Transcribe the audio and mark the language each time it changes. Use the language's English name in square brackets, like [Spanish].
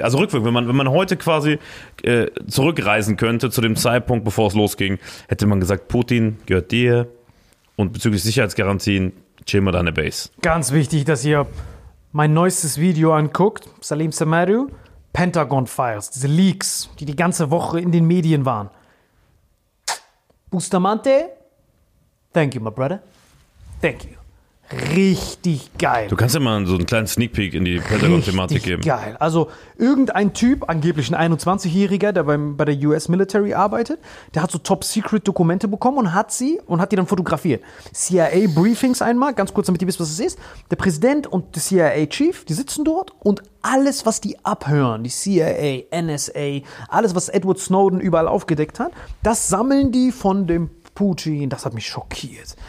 [German] Also rückwirkend, wenn man heute quasi zurückreisen könnte zu dem Zeitpunkt, bevor es losging, hätte man gesagt, Putin gehört dir und bezüglich Sicherheitsgarantien chillen wir deine Base. Ganz wichtig, dass ihr mein neuestes Video anguckt, Salim Samadou, Pentagon Files, diese Leaks, die ganze Woche in den Medien waren. [English] Bustamante, thank you, my brother. Thank you. [German] Richtig geil. Du kannst ja mal so einen kleinen Sneak Peek in die Pentagon-Thematik geben. Richtig geil. Also irgendein Typ, angeblich ein 21-Jähriger, der bei der US Military arbeitet, der hat so Top-Secret-Dokumente bekommen und hat die dann fotografiert. CIA-Briefings einmal, ganz kurz, damit ihr wisst, was es ist. Der Präsident und der CIA-Chief, die sitzen dort und alles, was die abhören, die CIA, NSA, alles, was Edward Snowden überall aufgedeckt hat, das sammeln die von dem Putin, das hat mich schockiert.